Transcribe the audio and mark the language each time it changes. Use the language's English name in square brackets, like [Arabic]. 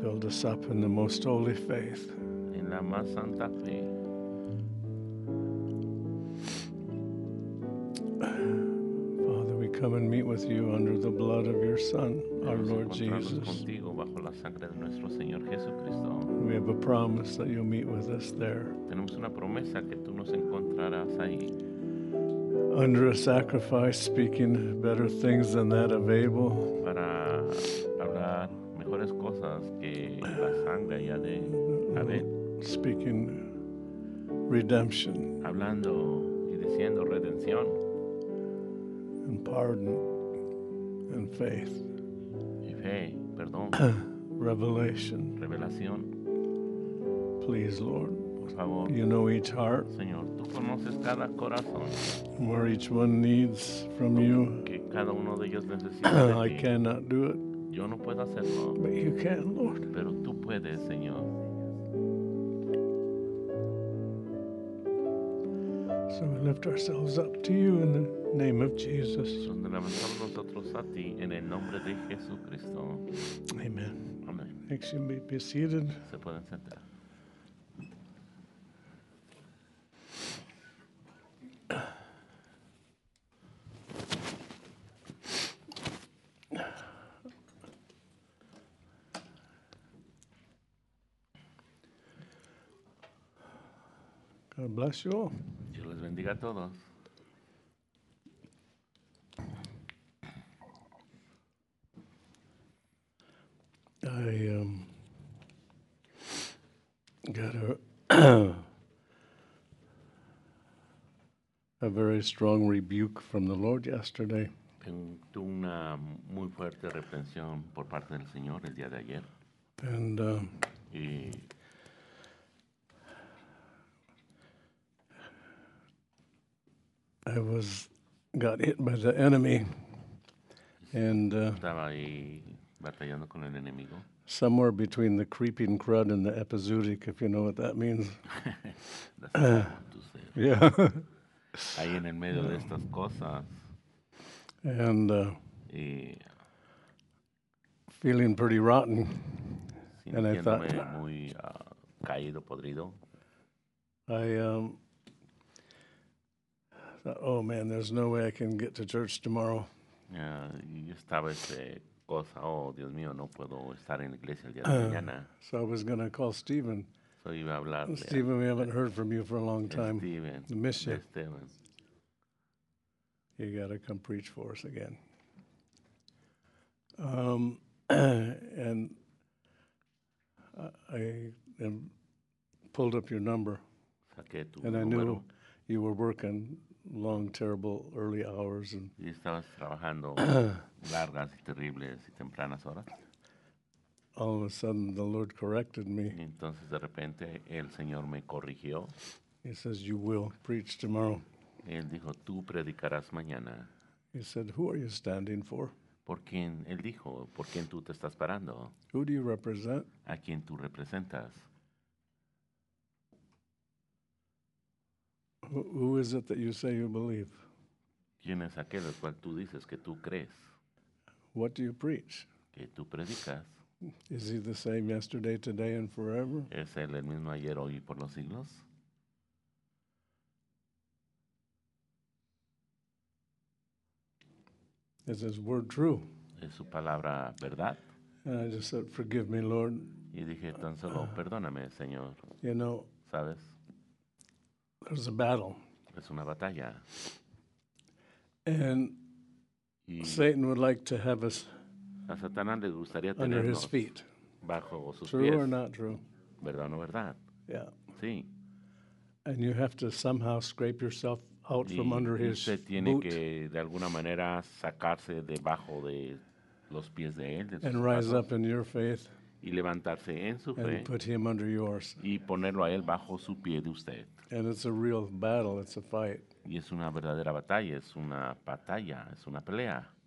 [English] Build us up in the most holy faith. [Spanish] En la más santa fe. [English] Come and meet with you under the blood of your Son, our Lord Jesus. [Spanish] Contigo bajo la sangre de nuestro Señor Jesucristo. [English] We have a promise that you'll meet with us there. [Spanish] Tenemos una promesa que tú nos encontrarás ahí. [English] Under a sacrifice speaking better things than that of Abel. [Spanish] Para hablar mejores cosas que la sangre allá de Abel. [English] Speaking redemption. [Spanish] Hablando y diciendo redención. [English] And pardon and faith. [Spanish] Y fe, perdón. [English] Revelation. [Spanish] Revelación. [English] Please, Lord. [Spanish] Por favor. [English] You know each heart. [Spanish] Señor, tú conoces cada corazón. [English] Where each one needs from you. [Spanish] Que cada uno de ellos necesita de ti. [English] I cannot do it. [Spanish] Yo no puedo hacerlo. [English] But you can, Lord. [Spanish] Pero tú puedes, Señor. [English] So we lift ourselves up to you in the name of Jesus. [Spanish] Levantamos nosotros a ti en el nombre de Jesucristo. [English] Amen. [Spanish] Amen. [English] Next, you may be seated. [Spanish] Se pueden sentar. [English] God bless you all. [Spanish] Dios les bendiga a todos. [English] I got a very strong rebuke from the Lord yesterday. [Spanish] Tengo una muy fuerte reprensión por parte del Señor el día de ayer. [English] And I was got hit by the enemy, and [Spanish] estaba ahí batallando con el enemigo. [English] Somewhere between the creeping crud and the epizootic, if you know what that means. Yeah. [Spanish] Ahí en el medio de estas cosas. [English] And feeling pretty rotten. And I thought, [Spanish] muy caído, podrido. [English] I thought, oh man, there's no way I can get to church tomorrow. [Spanish] Yeah, estaba ese. Cosa, oh Dios mío, no puedo estar en la iglesia el día de mañana. [English] So I was going to call Stephen. [Spanish] So iba a hablarle. [English] Stephen, we haven't heard from you for a long time. Stephen. I miss you. Stephen. You got to come preach for us again. And I pulled up your number. [Spanish] Saqué tu [English] and [Spanish] número. [English] I knew you were working long, terrible, early hours. And [Spanish] y estabas trabajando. Largas y terribles y tempranas horas. [English] All of a sudden, the Lord corrected me. [Spanish] Entonces, de repente, el Señor me corrigió. [English] He says, "You will preach tomorrow." [Spanish] Él dijo, "Tú predicarás mañana." [English] He said, "Who are you standing for?" [Spanish] Por quién él dijo, ¿por quién tú te estás parando? [English] Who do you represent? [Spanish] ¿A quién tú representas? [English] Who is it that you say you believe? [Spanish] ¿Quién es aquel al cual tú dices que tú crees? [English] What do you preach? [Spanish] ¿Qué tú predicas? [English] Is he the same yesterday, today, and forever? [Spanish] ¿Es él el mismo ayer, hoy y por los siglos? [English] Is his word true? [Spanish] ¿Es su palabra verdad? [English] And I just said, "Forgive me, Lord." [Spanish] Y dije tan solo, perdóname, Señor. [English] You know, [Spanish] ¿sabes? [English] There's a battle. [Spanish] Es una batalla. [English] And Satan would like to have us [Spanish] a Satanás le gustaría [English] under his feet. [Spanish] Bajo sus [English] true [Spanish] pies. [English] Or not true? [Spanish] ¿Verdad o no verdad? [English] Yeah. [Spanish] Sí. [English] And you have to somehow scrape yourself out from under his [Spanish] feet. Usted tiene [English] boot [Spanish] que de alguna manera sacarse debajo de los pies de él. De [English] and rise up in your faith. [Spanish] Y levantarse en su fe. [English] And put him under yours. [Spanish] Y ponerlo a él bajo su pie de usted. [English] And it's a real battle. It's a fight. [Spanish] Y es una verdadera batalla, es una batalla, es una pelea.